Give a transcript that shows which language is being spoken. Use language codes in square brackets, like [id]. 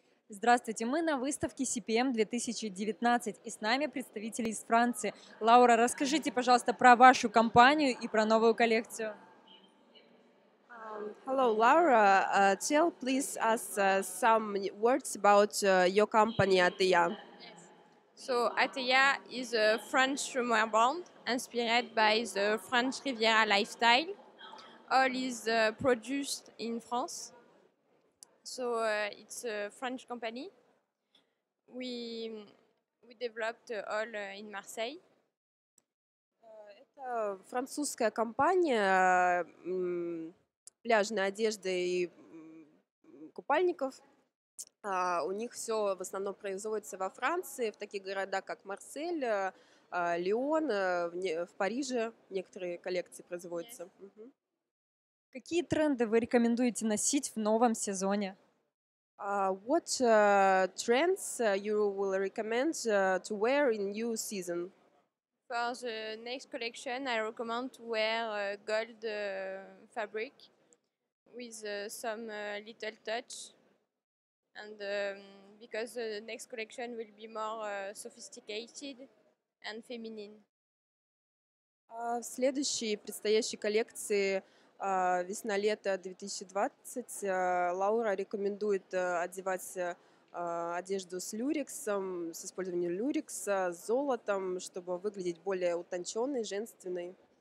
[ru] Здравствуйте, мы на выставке CPM-2019 и с нами представители из Франции. Лаура, расскажите, пожалуйста, про вашу компанию и про новую коллекцию. [en] Hello, Laura. Tell, please, us some words about your company, Atea. Yes. So, Atea is a French swimwear brand inspired by the French Riviera lifestyle. All is produced in France. So, it's a French company. We developed all in Marseille. [ru] Это французская компания пляжной одежды и купальников. У них все в основном производится во Франции, в таких городах, как Марсель, Лион, в Париже некоторые коллекции производятся. [en] Yes. Uh-huh. [ru] Какие тренды вы рекомендуете носить в новом сезоне? [en] What trends you will recommend to wear in new season? For the next collection, I recommend to wear gold fabric. With some little touch, and because the next collection will be more sophisticated and feminine. [ru] В следующей предстоящей коллекции весна-лето 2020 Лаура рекомендует одевать одежду с люрексом, с использованием люрекса, с золотом, чтобы выглядеть более утонченной, женственной.